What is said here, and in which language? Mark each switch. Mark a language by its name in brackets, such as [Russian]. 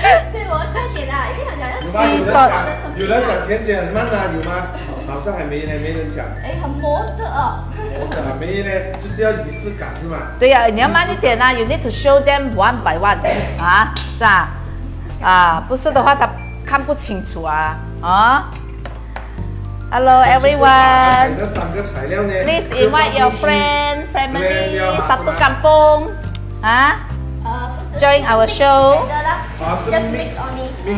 [Chinese] 所以我快点啦，因为想讲要吸收。有人讲甜点很慢啦，有吗？好像还没呢，没人讲。哎，很磨的哦。磨的还没呢，就是要仪式感是吗？对呀、啊，你要慢一点啊 ， [English] You need to show them one by one [Chinese] 啊，是吧？啊，不是的话他看不清楚啊，啊。 [English] Hello everyone。 [Chinese] 这三个材料呢 [English] ？Please invite your friend, family, [Malay] satu kampung, [English] 啊。 Join our show。 Just mix only。